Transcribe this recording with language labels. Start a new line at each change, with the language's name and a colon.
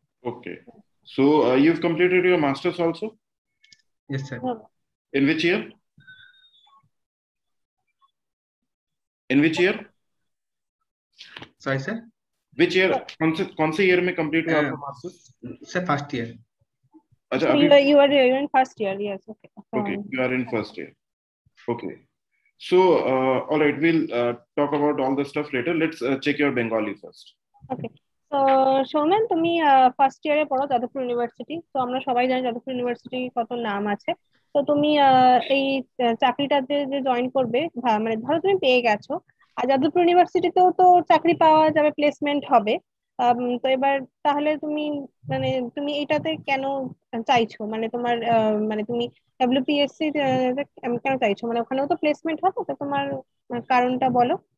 English: Okay, so you have completed your masters also? Yes sir. In which year? In which year? Sorry sir, which year?
Hindi: কোন সে ইয়ার মে complete হুয়া আপনার masters?
English: Sir first year.
Hindi: अच्छा
English: अभी you are in first year. Yes, okay, you are in first year. Okay, so all right, we'll talk about all the stuff later. Let's check your Bengali first. Okay, so
Bangla: Shoman, তুমি first year এ পড়ো Jadavpur university. তো আমরা সবাই জানি Jadavpur university কত নাম আছে. তো তুমি এই চাকরিটাতে যে জয়েন করবে, মানে ধরো তুমি পেয়ে গেছো, আর যাদবপুর ইউনিভার্সিটিতেও তো চাকরি পাওয়া যাবে, প্লেসমেন্ট হবে, তো এবার তাহলে তুমি মানে তুমি এটাতে কেন চাইছো, মানে তোমার মানে তুমি WPSC কেন চাইছো, মানে ওখানেও তো প্লেসমেন্ট হবে, তো তোমার কারণটা বলো.